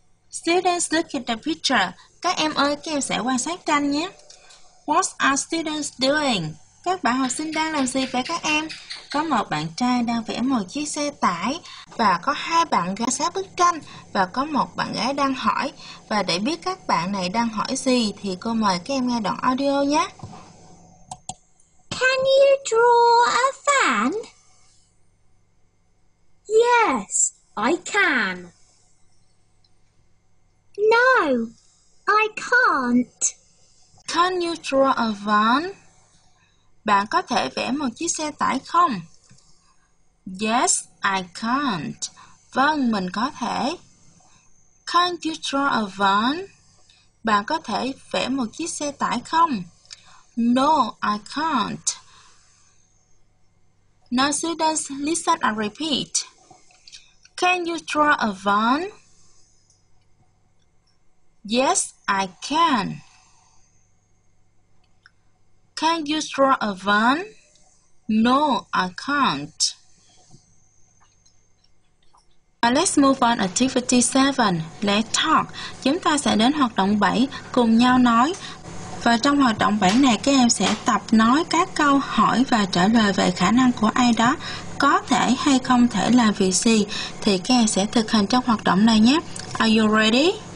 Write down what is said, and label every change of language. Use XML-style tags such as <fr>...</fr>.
<en>Students look at the picture.</en> <vi>Các em ơi, các em sẽ quan sát tranh nhé.</vi> <en>What are students doing?</en> <vi>Các bạn học sinh đang làm gì vậy các em? Có một bạn trai đang vẽ một chiếc xe tải. Và có hai bạn gái sát bức tranh. Và có một bạn gái đang hỏi. Và để biết các bạn này đang hỏi gì thì cô mời các em nghe đoạn audio nhé.</vi> <en>Can you draw a van? Yes, I can. No, I can't. Can you draw a van?</en> <vi>Bạn có thể vẽ một chiếc xe tải không?</vi> <en>Yes, I can't.</en> <vi>Vâng, mình có thể.</vi> <en>Can't you draw a van?</en> <vi>Bạn có thể vẽ một chiếc xe tải không?</vi> <en>No, I can't. Now students, listen and repeat. Can you draw a van? Yes, I can. Can you draw a van? No, I can't. Now let's move on activity 7. Let's talk.</en> <vi>Chúng ta sẽ đến hoạt động 7, cùng nhau nói. Và trong hoạt động 7 này các em sẽ tập nói các câu hỏi và trả lời về khả năng của ai đó có thể hay không thể làm việc gì thì các em sẽ thực hành trong hoạt động này nhé.</vi> <en>Are you ready?</en>